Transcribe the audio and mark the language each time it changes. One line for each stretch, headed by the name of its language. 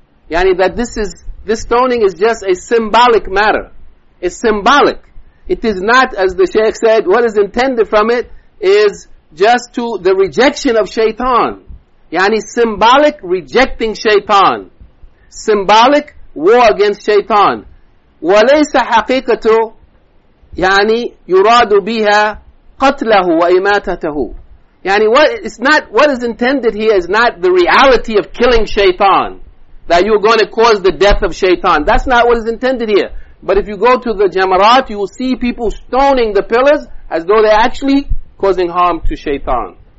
English: Yani that this stoning is just a symbolic matter. It's symbolic. It is not, as the Shaykh said, what is intended from it is just to the rejection of shaitan. Yani symbolic rejecting shaitan. Symbolic war against shaitan.
Arabic: وَلَيْسَ حَقِيقَةُ يعني يراد بها قتله وإماتته.
English: Yani what is intended here is not the reality of killing shaitan, that you're going to cause the death of shaitan. That's not what is intended here. But if you go to the jamarat, you will see people stoning the pillars as though they're actually causing harm to shaitan.